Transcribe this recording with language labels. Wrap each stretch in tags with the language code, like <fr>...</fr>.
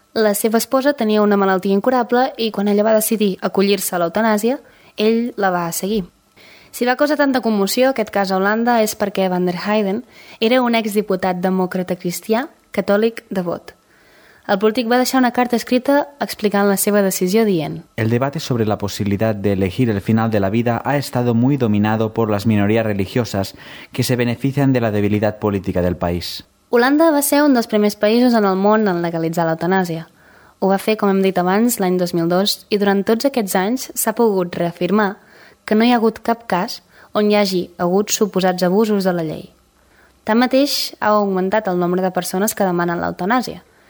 <ca>La seva esposa tenia una malaltia incurable i quan ella va decidir acollir-se a l'eutanàsia, ell la va seguir. Si va causar tanta commoció aquest cas a Holanda és perquè van der Heijden era un exdiputat demòcrata cristià, catòlic, devot. El polític va deixar una carta escrita explicant la seva decisió dient:</ca> <es>"El debate sobre la posibilidad de elegir el final de la vida ha estado muy dominado por las minorías religiosas que se benefician de la debilidad política del país".</es> <ca>Holanda va ser un dels primers països en el món en legalitzar l'eutanàsia. Ho va fer, com hem dit abans, l'any 2002, i durant tots aquests anys s'ha pogut reafirmar que no hi ha hagut cap cas on hi hagi hagut suposats abusos de la llei. Tanmateix, ha augmentat el nombre de persones que demanen l'eutanàsia.</ca>